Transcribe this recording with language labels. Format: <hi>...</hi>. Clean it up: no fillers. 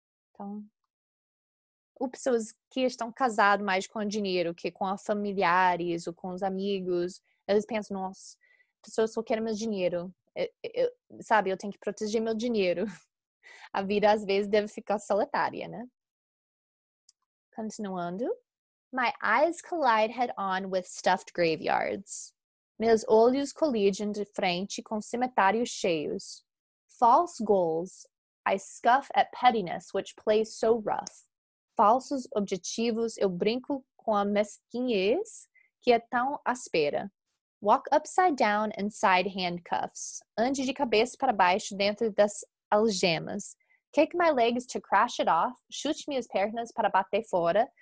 <pt>Então, ou pessoas que estão casadas mais com dinheiro que com familiares ou com os amigos, eles pensam, nossa, pessoas só querem meu dinheiro. Sabe, eu tenho que proteger meu dinheiro. A vida, às vezes, deve ficar solitária, né? Continuando.</pt> <en>My eyes collide head-on with stuffed graveyards.</en> <pt>Meus olhos colidem de frente com cemitérios cheios.</pt> <en>False goals, I scuff at pettiness which plays so rough.</en> <pt>Falsos objetivos, eu brinco com a mesquinhez que é tão áspera.</pt> <en>Walk upside down inside handcuffs.</en> <pt>Ande de cabeça para baixo dentro das algemas.</pt> <en>Kick my legs to crash it off.</en> <pt>Chute minhas pernas para bater fora.</pt>